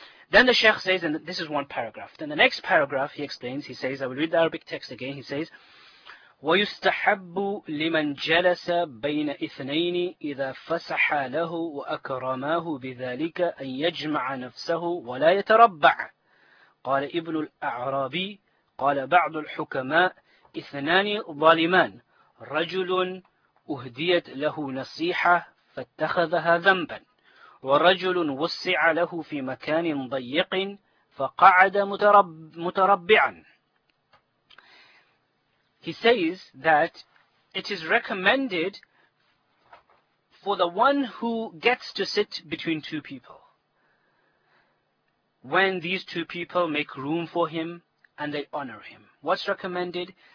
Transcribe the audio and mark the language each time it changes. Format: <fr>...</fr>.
<en>Then the Sheikh says, and this is one paragraph. Then the next paragraph he explains, he says, I will read the Arabic text again. He says,</en> <ar>وَيُسْتَحَبُّ لِمَنْ جَلَسَ بَيْنَ إِثْنَيْنِ إِذَا فَسَحَ لَهُ وَأَكْرَمَاهُ بِذَلِكَ أَنْ يَجْمَعَ نَفْسَهُ وَلَا يَتَرَبَّعَ. قال ابن الأعرابي قال بعض الحكماء إثنان ظالمان رجل أهديت له نصيحة فاتخذها ذنبا ورجل وسع له في مكان ضيق فقعد متربعا.</ar> <en>He says that it is recommended for the one who gets to sit between two people when these two people make room for him and they honor him. What's recommended?</en>